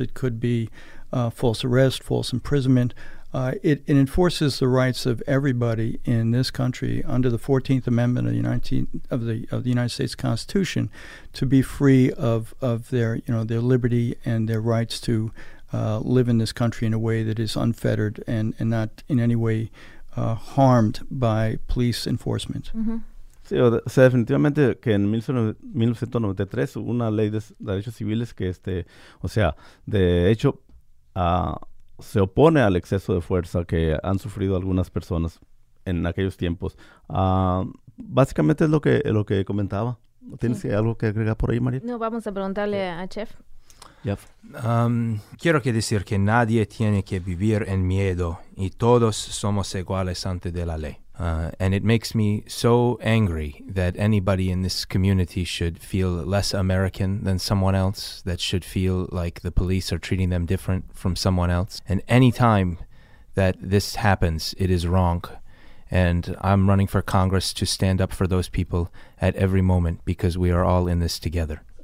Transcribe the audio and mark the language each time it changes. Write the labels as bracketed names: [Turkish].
[English] It could be false arrest, false imprisonment. It enforces the rights of everybody in this country under the 14th Amendment of the United States Constitution to be free of their, you know, their liberty and their rights to live in this country in a way that is unfettered and not in any way harmed by police enforcement. [Spanish] Mm-hmm. Sí, o sea, definitivamente que en 1993 hubo una ley de derechos civiles que o sea, de hecho se opone al exceso de fuerza que han sufrido algunas personas en aquellos tiempos. Básicamente es lo que comentaba. ¿Tienes algo que agregar por ahí, María? No, vamos a preguntarle a Chef. Jeff. Quiero que decir que nadie tiene que vivir en miedo y todos somos iguales ante de la ley. [English] And it makes me so angry that anybody in this community should feel less American than someone else, that should feel like the police are treating them different from someone else. And any time that this happens, it is wrong. And I'm running for Congress to stand up for those people at every moment because we are all in this together.